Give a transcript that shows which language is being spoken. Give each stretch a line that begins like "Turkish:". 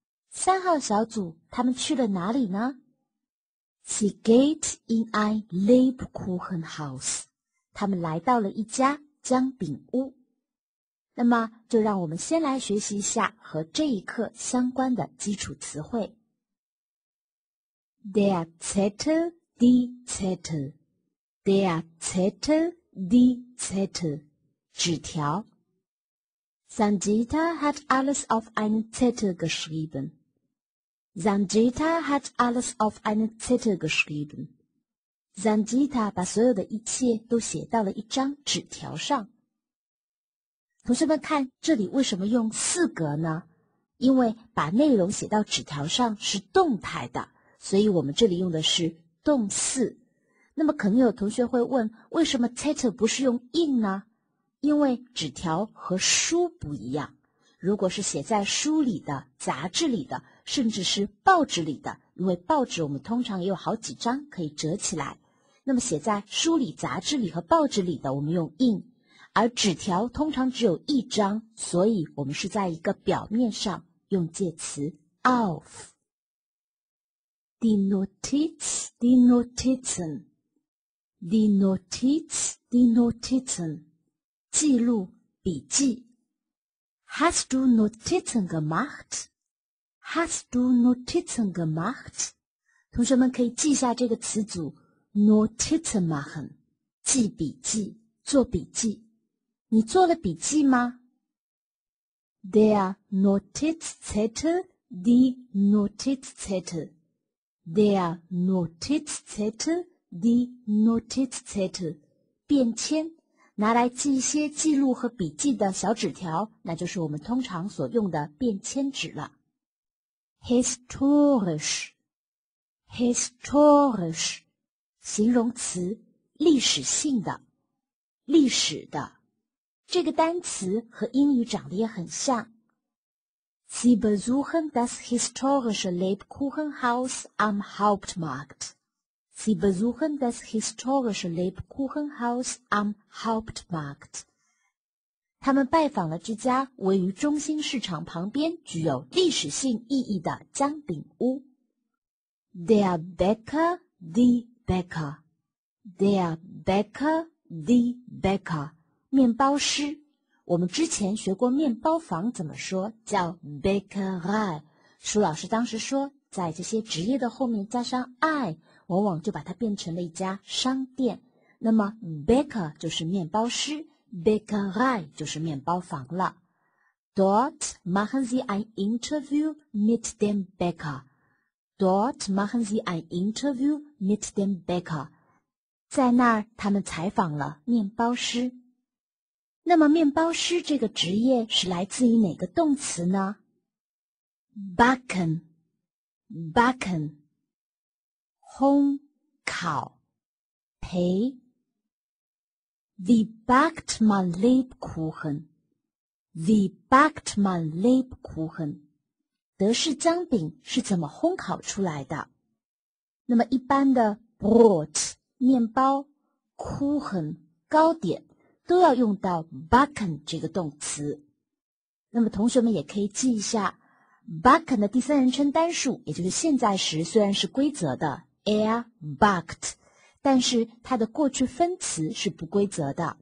Chinese: 三号小组他们去了哪里呢？
German: Sie geht in ein Lebkuchenhaus，
Chinese: 他们来到了一家姜饼屋。那么就让我们先来学习一下和这一课相关的基础词汇。
German: Der Zettel, die Zettel， Der Zettel, die Zettel，
Chinese: 纸条。
German: Sanjita hat alles auf einen Zettel geschriebenSanjita hat alles auf einen Zettel geschrieben.
Chinese: Sanjita 把所有的一切都写到了一张纸条上。同学们看，这里为什么用四格呢？因为把内容写到纸条上是动态的，所以我们这里用的是动四。那么可能有同学会问，为什么 Zettel 不是用印呢？因为纸条和书不一样。如果是写在书里的、杂志里的，甚至是报纸里的，因为报纸我们通常也有好几张可以折起来。那么写在书里、杂志里和报纸里的，我们用印；而纸条通常只有一张，所以我们是在一个表面上用介词 auf。
German: Die Notiz, die Notizen, die Notiz, die Notizen，
Chinese: 记录、笔记。
German: Hast du Notizen gemacht? Hast du Notizen gemacht?
Chinese: 同学们可以记下这个词组
German: Notizen machen，
Chinese: 记笔记，做笔记。你做了笔记吗？
German: Der Notizzettel, die Notizzettel. Der Notizzettel, die Notizzettel.
Chinese: 便签，拿来记一些记录和笔记的小纸条，那就是我们通常所用的便签纸了。
German: historisch， historisch，
Chinese: 形容词，历史性的，历史的。这个单词和英语长得也很像。
German: Sie besuchen das historische Lebkuchenhaus am Hauptmarkt. Sie besuchen das historische Lebkuchenhaus am Hauptmarkt.
Chinese: 他们拜访了这家位于中心市场旁边具有历史性意义的姜饼屋。
German: Der Bäcker, die Bäcker. Der Bäcker, die Bäcker.
Chinese: 面包师。我们之前学过面包房怎么说，叫 Bäckerei。舒老师当时说，在这些职业的后面加上 I，往往就把它变成了一家商店。那么 Bäcker 就是面包师， Bäckerei 就是面包房了。
German: Dort machen Sie ein Interview mit dem Bäcker. Dort machen Sie ein Interview mit dem Bäcker.
Chinese: 在那儿他们采访了面包师。那么面包师这个职业是来自于哪个动词呢？
German: Backen， Backen，
Chinese: 烘、烤、培。
German: Wie backt man Lebkuchen? Wie backt man Lebkuchen?
Chinese: 德式姜饼是怎么烘烤出来的。那么一般的
German: brot
Chinese: 面包、kuchen 糕点都要用到 backen 这个动词。那么同学们也可以记一下 backen 的第三人称单数，也就是现在时，虽然是规则的
German: er backed，
Chinese: 但是它的过去分词是不规则的。